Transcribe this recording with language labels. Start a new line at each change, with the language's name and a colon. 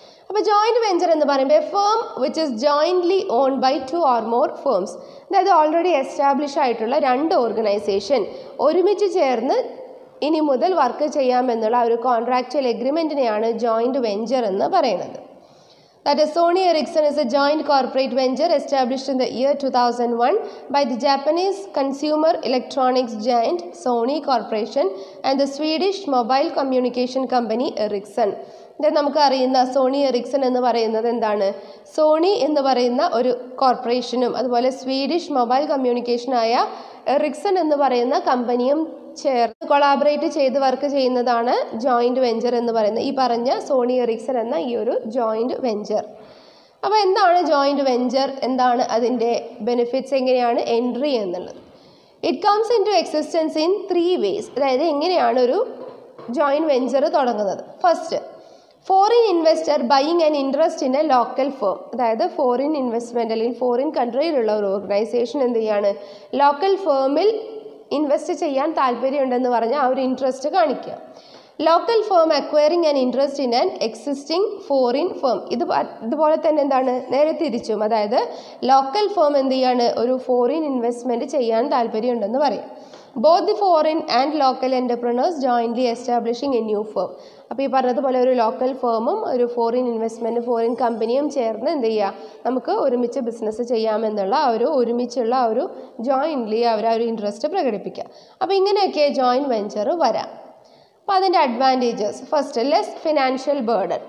Malayalam: അപ്പോൾ joint venture എന്ന് പറയുമ്പോൾ
English: Firm which is jointly owned by two or more firms.
Malayalam: അതായത് ഓൾറെഡി എസ്റ്റാബ്ലിഷ് ആയിട്ടുള്ള രണ്ട് ഓർഗനൈസേഷൻ ഒരുമിച്ച് ചേർന്ന് ഇനി മുതൽ വർക്ക് ചെയ്യാമെന്നുള്ള ഒരു കോൺട്രാക്ച്വൽ എഗ്രിമെൻറ്റിനെയാണ് ജോയിൻറ്റ് വെഞ്ചർ എന്ന് പറയുന്നത്.
English: That is, Sony Ericsson is a joint corporate venture established in the year 2001 by the Japanese consumer electronics giant Sony Corporation and the Swedish mobile communication company Ericsson.
Malayalam: ഇതെ നമുക്കറിയുന്ന Sony Ericsson എന്ന് പറയുന്നത് എന്താണ്, Sony എന്ന് പറയുന്ന ഒരു കോർപ്പറേഷനും അതുപോലെ സ്വീഡിഷ് മൊബൈൽ കമ്മ്യൂണിക്കേഷനായ എറിക്സൺ എന്ന് പറയുന്ന കമ്പനിയും ചേർന്ന് കൊളാബറേറ്റ് ചെയ്ത് വർക്ക് ചെയ്യുന്നതാണ് ജോയിൻറ്റ് വെഞ്ചർ എന്ന് പറയുന്നത്, ഈ പറഞ്ഞ സോണി എറിക്സൺ എന്ന ഈ ഒരു ജോയിൻറ്റ് വെഞ്ചർ. അപ്പോൾ എന്താണ് ജോയിൻറ്റ് വെഞ്ചർ, എന്താണ് അതിൻ്റെ ബെനിഫിറ്റ്സ്, എങ്ങനെയാണ് എൻട്രി എന്നുള്ളത്.
English: It comes into existence in three ways.
Malayalam: അതായത് എങ്ങനെയാണ് ഒരു ജോയിൻറ്റ് വെഞ്ചർ തുടങ്ങുന്നത്.
English: First, foreign investor buying an interest in a local firm.
Malayalam: അതായത് ഫോറിൻ ഇൻവെസ്റ്റ്മെൻ്റ് അല്ലെങ്കിൽ ഫോറിൻ കൺട്രിയിലുള്ള ഒരു ഓർഗനൈസേഷൻ എന്ത് ചെയ്യാണ്, ലോക്കൽ ഫേമിൽ ഇൻവെസ്റ്റ് ചെയ്യാൻ താല്പര്യമുണ്ടെന്ന് പറഞ്ഞ് ആ ഒരു ഇൻട്രസ്റ്റ് കാണിക്കുക.
English: Local firm acquiring an interest in an existing foreign firm.
Malayalam: ഇതുപോലെ തന്നെ എന്താണ് നേരെ തിരിച്ചും, അതായത് ലോക്കൽ ഫേം എന്ത് ചെയ്യാണ് ഒരു ഫോറിൻ ഇൻവെസ്റ്റ്മെൻറ്റ് ചെയ്യാൻ താല്പര്യമുണ്ടെന്ന് പറയും.
English: Both the foreign and local entrepreneurs jointly establishing a new firm.
Malayalam: അപ്പോൾ ഈ പറഞ്ഞതുപോലെ ഒരു ലോക്കൽ ഫേമും ഒരു ഫോറിൻ ഇൻവെസ്റ്റ്മെൻറ്റ് ഫോറിൻ കമ്പനിയും ചേർന്ന് എന്ത് ചെയ്യുക, നമുക്ക് ഒരുമിച്ച് ബിസിനസ് ചെയ്യാമെന്നുള്ള ആ ഒരു ഒരുമിച്ചുള്ള ആ ഒരു ജോയിൻ്റ്ലി അവർ ആ ഒരു ഇൻട്രസ്റ്റ് പ്രകടിപ്പിക്കുക. അപ്പോൾ ഇങ്ങനെയൊക്കെ ജോയിൻറ്റ് വെഞ്ചർ വരാം. അപ്പോൾ അതിൻ്റെ advantages, first,
English: Less financial burden.